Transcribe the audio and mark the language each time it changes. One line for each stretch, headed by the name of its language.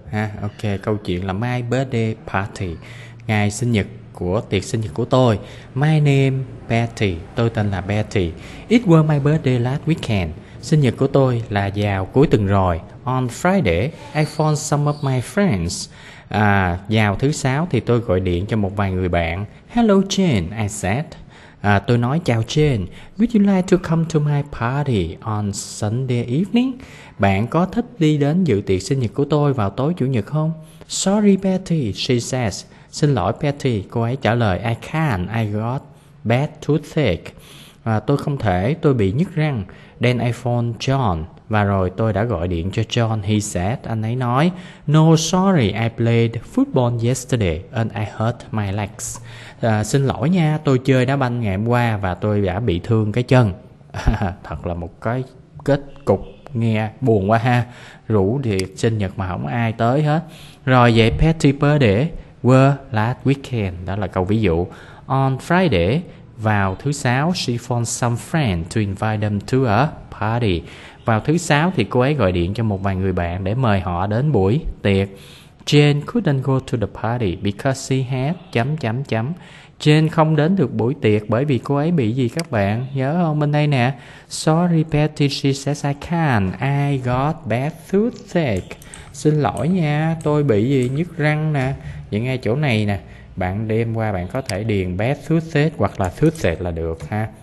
Vietnamese: Ha, ok, câu chuyện là
English: My birthday party.
Vietnamese: Ngày sinh nhật của tiệc sinh nhật của tôi.
English: My name Betty.
Vietnamese: Tôi tên là Betty.
English: It was my birthday last weekend.
Vietnamese: Sinh nhật của tôi là vào cuối tuần rồi.
English: On Friday, I phoned some of my friends.
Vietnamese: À, vào thứ sáu thì tôi gọi điện cho một vài người bạn.
English: Hello Jane, I said.
Vietnamese: À, tôi nói chào Jane,
English: would you like to come to my party on Sunday evening?
Vietnamese: Bạn có thích đi đến dự tiệc sinh nhật của tôi vào tối chủ nhật không?
English: Sorry Betty, she says.
Vietnamese: Xin lỗi Betty, cô ấy trả lời,
English: I can't, I got bad toothache.
Vietnamese: Và tôi không thể, tôi bị nhức răng.
English: Then I phone John.
Vietnamese: Và rồi tôi đã gọi điện cho John.
English: He said,
Vietnamese: anh ấy nói,
English: No sorry, I played football yesterday and I hurt my legs.
Vietnamese: À, xin lỗi nha, tôi chơi đá banh ngày hôm qua và tôi đã bị thương cái chân. À, thật là một cái kết cục nghe buồn quá ha. Rủ thì sinh nhật mà không ai tới hết. Rồi vậy
English: Patty birthday were last weekend.
Vietnamese: Đó là câu ví dụ.
English: On Friday,
Vietnamese: vào thứ sáu,
English: she phoned some friend to invite them to a party.
Vietnamese: Vào thứ sáu thì cô ấy gọi điện cho một vài người bạn để mời họ đến buổi tiệc.
English: Jane couldn't go to the party because she had
Vietnamese: chấm chấm chấm. Jane không đến được buổi tiệc bởi vì cô ấy bị gì các bạn? Nhớ không? Bên đây nè.
English: Sorry, Betty, she says I can't. I got bad toothache.
Vietnamese: Xin lỗi nha, tôi bị gì nhức răng nè. Vậy ngay chỗ này nè. Bạn đem qua bạn có thể điền bad toothache hoặc là toothache là được ha.